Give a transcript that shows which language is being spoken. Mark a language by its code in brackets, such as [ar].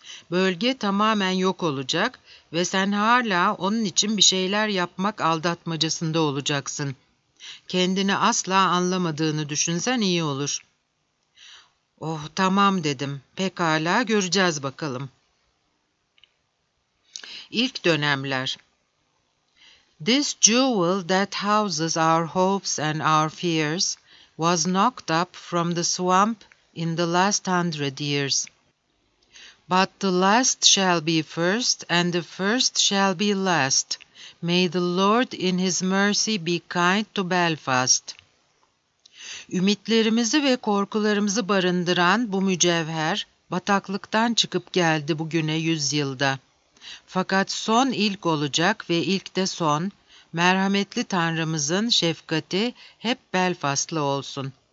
[tr] Bölge tamamen yok olacak ve sen hala onun için bir şeyler yapmak aldatmacasında olacaksın. Kendini asla anlamadığını düşünsen iyi olur. Oh tamam dedim. Pekala göreceğiz bakalım. İlk dönemler. [en] This jewel that houses our hopes and our fears was knocked up from the swamp in the last 100 years. But the last shall be first, and the first shall be last. May the Lord in His mercy be kind to Belfast. [tr] Ümitlerimizi ve korkularımızı barındıran bu mücevher, bataklıktan çıkıp geldi bugüne 100 yılda. Fakat son ilk olacak ve ilk de son, merhametli Tanrımızın şefkati hep Belfast'la olsun.